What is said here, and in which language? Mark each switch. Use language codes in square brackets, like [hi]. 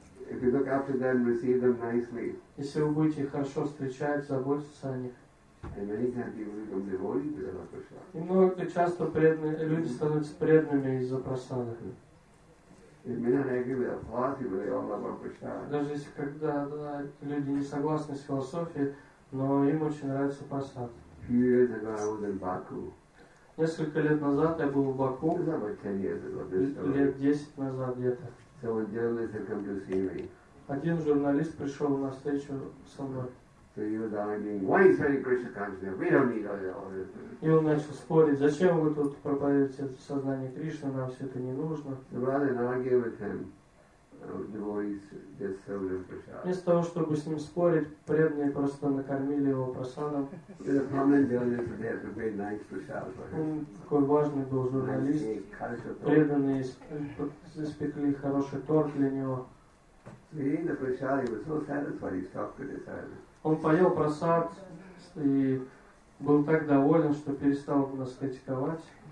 [en] If you look after them, receive them nicely. [ru] Если вы будете хорошо встречать, заботиться о них. [en] And many times people become devoted because of prasad. [ru] И много часто преданные люди становятся преданными из-за прасада. [en] They may not agree with the philosophy, but they all love prasad. [ru] Даже если когда люди не согласны с философией, но им очень нравится прасад. [en] Few years ago, I was in Baku. [ru] Несколько лет назад я был в Баку. [en] It was about 10 years ago. [ru] Лет 10 назад где-то. [en] So a journalist had come to see me. [ru] Один журналист пришел на встречу со мной. [en] So he was arguing, why is spreading Krishna consciousness? We don't need all this. [ru] И он начал спорить, зачем вы тут проповедуете сознание Кришны, нам все это не нужно. [en] So rather than argue with him, devotees just served him prasad. [ru] Вместо того, чтобы с ним спорить, преданные просто накормили его прасадом. [en] The prominent journalist was there to pay nice prasad for him. [ru] Такой важный был журналист. Преданные испекли хороший торт для него. [en] So eating the prasad, he was so satisfied, he stopped criticizing. [ru] Он поел прасад и был так доволен, что перестал нас критиковать.